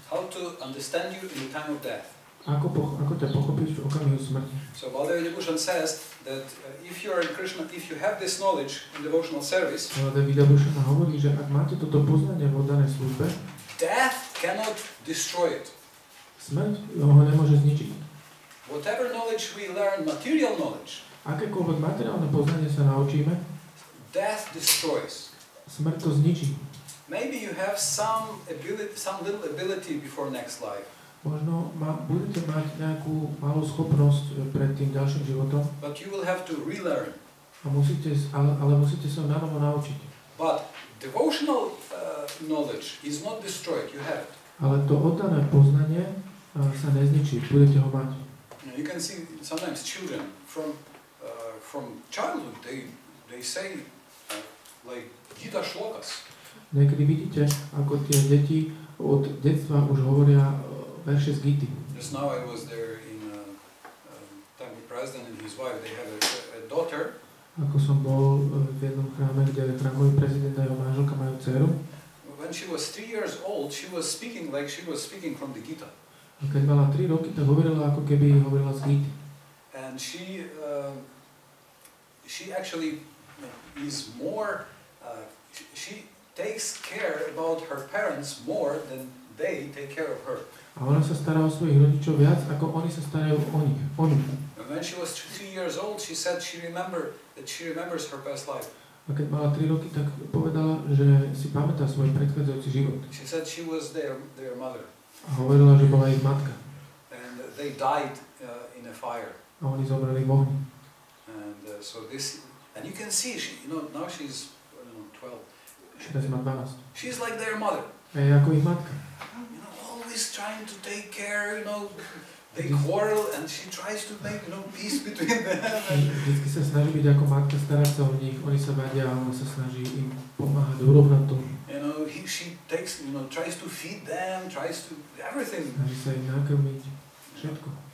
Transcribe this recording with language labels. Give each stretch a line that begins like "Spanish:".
English: How to understand you in the time of death.
Slovak: Ako ťa pochopíš v okamihu smrti.
English: So, Valdeva Dibushan says that if you are in Krishna, if you have this knowledge in devotional service,
Slovak: Valdeva Dibushan hovorí, že ak máte toto poznanie v oddanej službe,
English: death cannot destroy it.
Slovak: Smrť ho nemôže zničiť.
English: Whatever knowledge we learn, material knowledge.
Slovak: Akékoľvek materiálne poznanie sa naučíme.
English: Death destroys.
Slovak: Smrť to zničí.
English: Maybe you have some little ability before next life.
Slovak: Možno budete mať nejakú malú schopnosť pred tým ďalším životom.
English: But you will have to relearn.
Slovak: Ale musíte sa nanovo naučiť.
English: But devotional knowledge is not destroyed. You have it.
Slovak: Ale to oddané poznanie sa nezničí. Budete ho mať.
English: You can see sometimes children from childhood they say like Gita shlokas.
Slovak: Niekedy vidíte, ako tie deti od detstva už hovoria verše z Gity.
English: Just now I was there in the president and his wife, they have a daughter.
Slovak: Ako som bol v jednom chráme, kde je pravý prezident a jeho manželka majú dceru.
English: When she was 3 years old, she was speaking like she was speaking from the Gita.
Slovak: A keď mala 3 roky, tak hovorila ako keby hovorila z Gity.
English: And she actually is more she takes care about her parents more than they take care of her.
Slovak: A ona sa stará o svojich rodičov viac ako oni sa starajú o nich. Oni.
English: And when she was 3 years old, she said she remembers her past life.
Slovak: A keď mala 3 roky, tak povedala, že si pamätá svoj predchádzajúci život.
English: She said she was their mother.
Slovak: A hovorila, že bola ich matka.
English: And they died in a fire.
Slovak: A oni zomreli v ohni.
English: And so this and you can see she, you know, now she's 12. She is like their mother.
Slovak: A je ako ich matka.
English: You know, always trying to take care, you know. They quarrel and she tries to make no peace between them.
Slovak: Vždycky sa snaží byť ako matka, starať sa o nich. Oni sa vadia a ona sa snaží im pomáhať, urovnať to.
English: You know, she takes, you know, tries to feed them, tries to everything.
Slovak: Snaží sa im nakrmiť všetko.